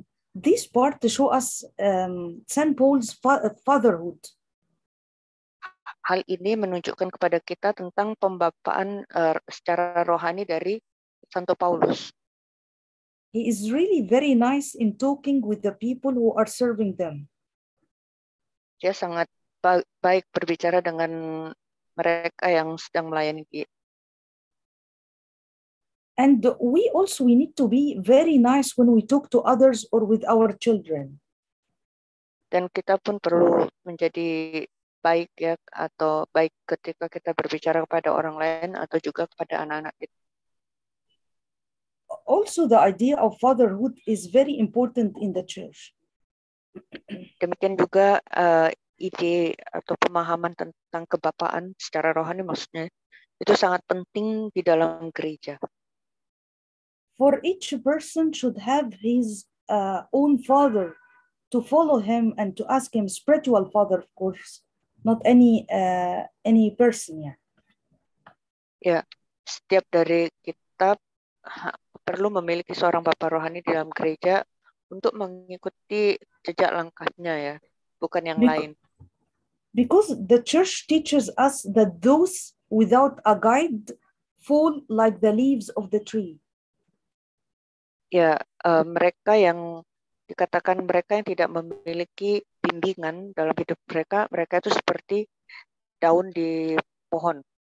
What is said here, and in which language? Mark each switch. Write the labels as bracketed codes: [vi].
[en] This part to show us St. Paul's fatherhood. [id] Hal ini menunjukkan kepada kita tentang pembapaan secara rohani dari Santo Paulus. [en] He is really very nice in talking with the people who are serving them. [id] Dia sangat baik berbicara dengan mereka yang sedang melayani dia. [en] And we also we need to be very nice when we talk to others or with our children. [id] Dan kita pun perlu menjadi baik ya atau baik ketika kita berbicara kepada orang lain atau juga kepada anak-anak kita. [en] Also the idea of fatherhood is very important in the church. [id] Demikian juga ide atau pemahaman tentang kebapaan secara rohani maksudnya itu sangat penting di dalam gereja. [en] For each person should have his own father to follow him and to ask him spiritual father of course not any person ya. [id] Ya, setiap dari kita perlu memiliki seorang bapa rohani di dalam gereja untuk mengikuti jejak langkahnya ya, bukan yang lain. [en] Because the church teaches us that those without a guide fall like the leaves of the tree. [id] Ya, mereka yang dikatakan mereka yang tidak memiliki bimbingan dalam hidup mereka, mereka itu seperti daun di pohon.